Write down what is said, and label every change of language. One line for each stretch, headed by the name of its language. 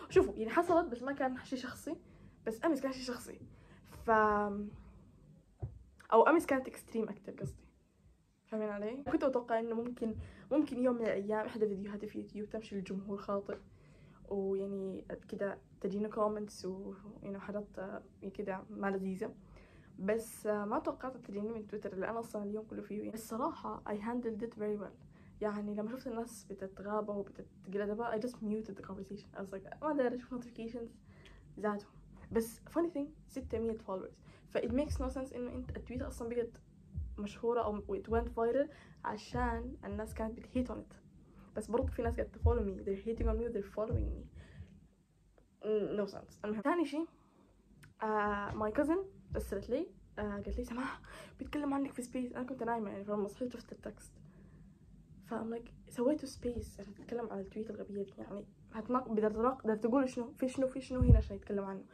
Arabic: شوفوا يعني حصلت بس ما كان شيء شخصي، بس أمس كان شيء شخصي ف أو أمس كانت إكستريم أكتر قصدي، فاهمين علي؟ كنت أتوقع إنه ممكن يوم من الأيام إحدى فيديوهاتي في يوتيوب تمشي للجمهور خاطئ، ويعني كده تجينا كومنتس ويعني حاجات كده ما لذيذة، بس ما توقعت تجيني من تويتر اللي أنا أصلا اليوم كله فيه. الصراحة
English: I handled it very well،
Arabic: يعني لما شفت الناس بتتغابة وبتتقل أدبها
English: I just muted the conversation. I was like
Arabic: ما داري أشوف
English: notifications
Arabic: زادوا، بس
English: funny thing 600 followers، ف it makes no sense
Arabic: إنه أنت التويت أصلا بقت مشهورة
English: أو it went viral
Arabic: عشان الناس كانت بتهيت
English: on it.
Arabic: بس برضو في ناس قاعدة تفولو مي،
English: they're hating on me they're following me no sense.
Arabic: المهم تاني شي
English: my cousin
Arabic: رسلت لي قالت لي سماح بيتكلم عنك في سبيس. انا كنت نايمة يعني فلما صحيت شفت التكست ف
English: I'm like
Arabic: سويتو سبيس عشان تتكلم على التويت الغبية، يعني بدها تقول شنو هنا عشان يتكلم عنه.